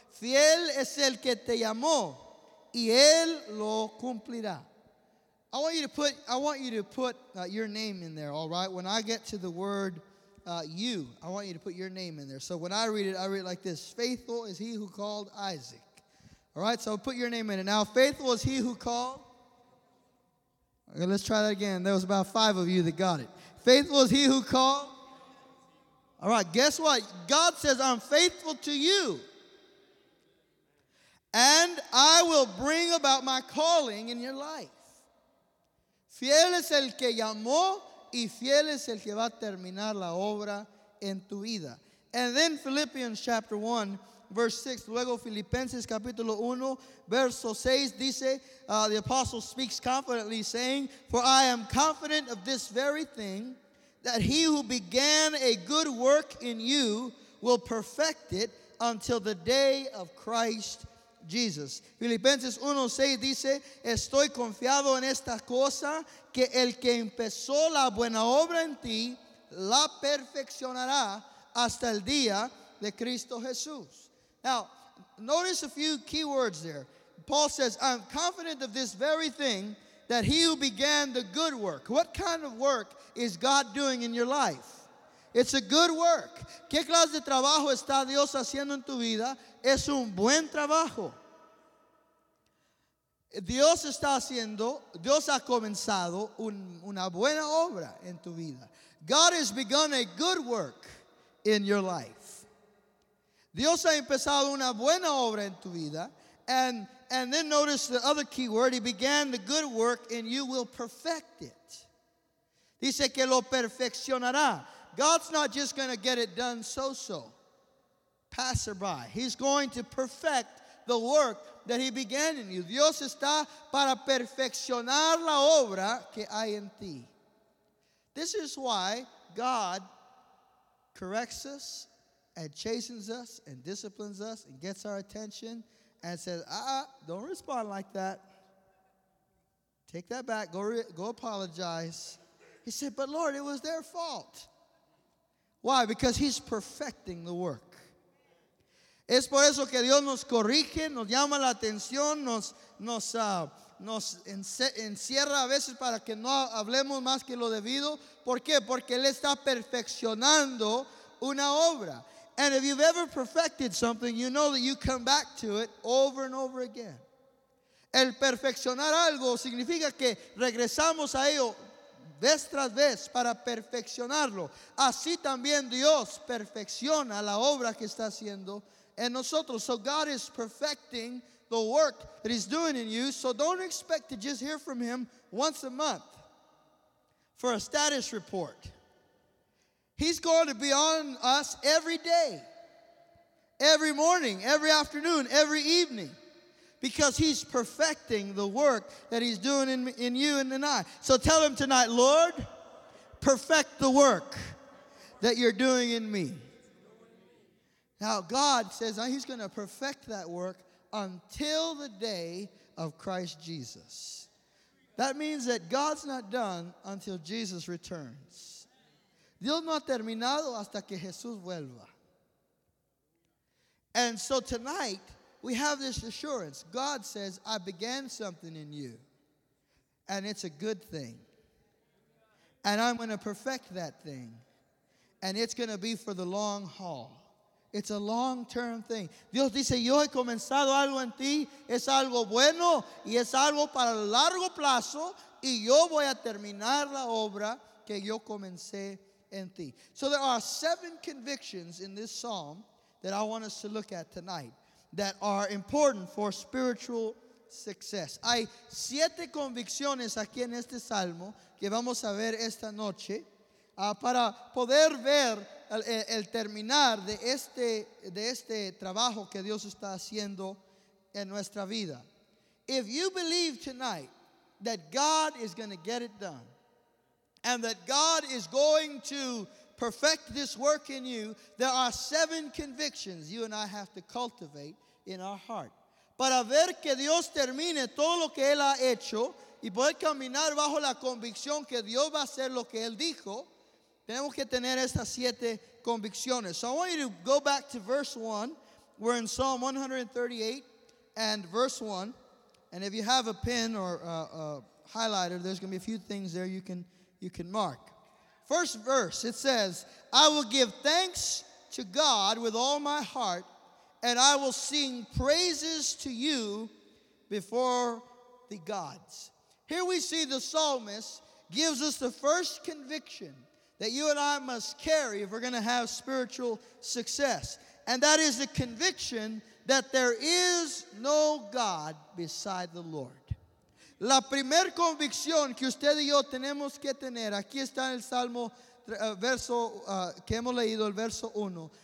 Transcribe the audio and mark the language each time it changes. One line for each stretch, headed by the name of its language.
Spanish: Fiel es el que te llamó, y él lo cumplirá.
English: I want you to put your name in there, all right? When I get to the word you, I want you to put your name in there. So when I read it like this. Faithful is he who called Isaac. All right, so put your name in it. Now, faithful is he who called. Okay, let's try that again. There was about five of you that got it. Faithful is he who called. All right, guess what? God says, I'm faithful to you. And I will bring about my calling in your life.
Spanish: Fiel es el que llamó y fiel es el que va a terminar la obra en tu vida.
English: And then Philippians chapter 1, verse 6.
Spanish: Luego Filipenses capítulo 1, verso 6 dice,
English: the apostle speaks confidently saying, for I am confident of this very thing, that he who began a good work in you will perfect it until the day of Christ Jesus.
Spanish: Filipenses 1:6 dice, estoy confiado en esta cosa, que el que empezó la buena obra en ti la perfeccionará hasta el día de Cristo Jesús.
English: Now, notice a few key words there. Paul says, I'm confident of this very thing, that he who began the good work. What kind of work is God doing in your life? It's a good work.
Spanish: ¿Qué clase de trabajo está Dios haciendo en tu vida? Es un buen trabajo. Dios está haciendo, Dios ha comenzado una buena obra en tu vida.
English: God has begun a good work in your life.
Spanish: Dios ha empezado una buena obra en tu vida.
English: And then notice the other key word. He began the good work and you will perfect it.
Spanish: Dice que lo perfeccionará.
English: God's not just going to get it done so-so, passerby. He's going to perfect the work that he began in you.
Spanish: Dios está para perfeccionar la obra que hay en ti.
English: This is why God corrects us and chastens us and disciplines us and gets our attention and says, don't respond like that. Take that back. Go apologize. He said, but Lord, it was their fault. Why? Because he's perfecting the work.
Spanish: Es por eso que Dios nos corrige, nos llama la atención, nos encierra a veces para que no hablemos más que lo debido. ¿Por qué? Porque él está perfeccionando una obra.
English: And if you've ever perfected something, you know that you come back to it over and over again.
Spanish: El perfeccionar algo significa que regresamos a ello vez tras vez para perfeccionarlo. Así también Dios perfecciona la obra que está haciendo en nosotros.
English: So God is perfecting the work that he's doing in you. So don't expect to just hear from him once a month for a status report. He's going to be on us every day, every morning, every afternoon, every evening. Because he's perfecting the work that he's doing in you and in I. So tell him tonight, Lord, perfect the work that you're doing in me. Now God says he's going to perfect that work until the day of Christ Jesus. That means that God's not done until Jesus returns.
Spanish: Dios no ha terminado hasta que Jesús vuelva.
English: And so tonight, we have this assurance. God says, I began something in you, and it's a good thing. And I'm going to perfect that thing, and it's going to be for the long haul. It's a long-term thing.
Spanish: Dios dice, yo he comenzado algo en ti, es algo bueno, y es algo para el largo plazo, y yo voy a terminar la obra que yo comencé en ti.
English: So there are 7 convictions in this psalm that I want us to look at tonight that are important for spiritual success.
Spanish: Hay 7 convicciones aquí en este salmo que vamos a ver esta noche para poder ver el terminar de este trabajo que Dios está haciendo en nuestra vida.
English: If you believe tonight that God is going to get it done and that God is going to perfect this work in you, there are 7 convictions you and I have to cultivate in our heart.
Spanish: Para ver que Dios termine todo lo que Él ha hecho y poder caminar bajo la convicción que Dios va a hacer lo que Él dijo, tenemos que tener estas 7 convicciones.
English: So I want you to go back to verse 1. We're in Psalm 138 and verse 1. And if you have a pen or a highlighter, there's going to be a few things there you can mark. First verse, it says, I will give thanks to God with all my heart, and I will sing praises to you before the gods. Here we see the psalmist gives us the first conviction that you and I must carry if we're going to have spiritual success. And that is the conviction that there is no God beside the Lord.
Spanish: La primera convicción que usted y yo tenemos que tener, aquí está en el Salmo, que hemos leído, el verso 1.